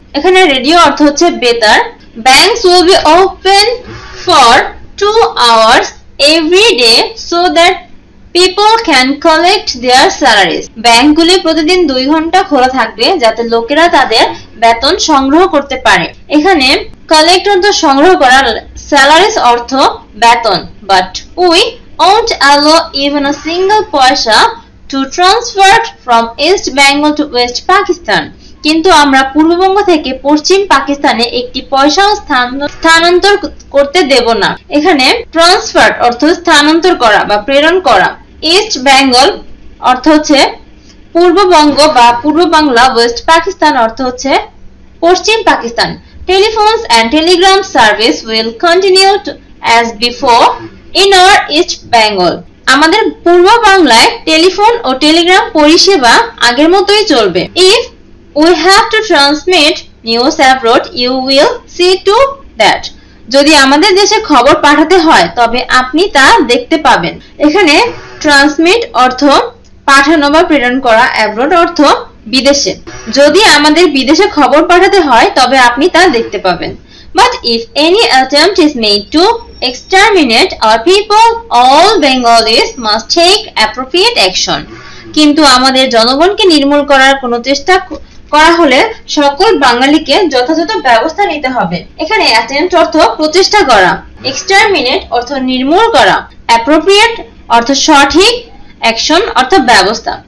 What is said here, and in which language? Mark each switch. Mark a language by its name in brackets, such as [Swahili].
[Bangla] এখানে রেডিও অর্থ হচ্ছে বেতার। [English] banks will be open for two hours every day so that people can collect their salaries, [Bangla] ব্যাংকগুলি প্রতিদিন 2 ঘন্টা খোলা থাকবে যাতে লোকেরা তাদের বেতন সংগ্রহ করতে পারে। এখানে কালেক্ট অর্থ সংগ্রহ করার, salaries ortho beton, [English] but we won't allow even a single paisa to transfer from East Bengal to West Pakistan. [Bangla] কিন্তু আমরা পূর্ববঙ্গ থেকে পশ্চিম পাকিস্তানে একটি পয়সাও স্থানান্তর করতে দেব না। এখানে ট্রান্সফার অর্থ স্থানান্তর করা বা প্রেরণ করা। ইস্ট বেঙ্গল অর্থ হচ্ছে পূর্ববঙ্গ বা পূর্ব বাংলা, ওয়েস্ট পাকিস্তান অর্থ হচ্ছে পশ্চিম Pakistan. [English] Telephones and telegram service will continue as before in our east Bengal. [Bangla] আমাদের পূর্ব বাংলায় টেলিফোন ও টেলিগ্রাম পরিষেবা আগের মতোই চলবে। [English] If We have to transmit news abroad. You will see to that. [Bangla] যদি আমাদের দেশে খবর পাঠাতে হয় তবে আপনি তা দেখতে পাবেন। এখানে transmit অর্থ পাঠানো বা প্রেরণ করা, abroad অর্থ বিদেশে। যদি আমাদের বিদেশে খবর পাঠাতে হয় তবে আপনি তা দেখতে পাবেন। [English] But if any attempt is made to exterminate our people, all Bengalis must take appropriate action. [Bangla] কিন্তু আমাদের জনগণকে নির্মূল করার কোনো চেষ্টা করা হলে সকল বাঙালিকে যথাযথ ব্যবস্থা নিতে হবে। এখানে অ্যাটেম্পট অর্থ প্রচেষ্টা করা, এক্সটারমিনেট অর্থ নির্মূল করা, অ্যাপ্রোপ্রিয়েট অর্থ সঠিক, অ্যাকশন অর্থ ব্যবস্থা।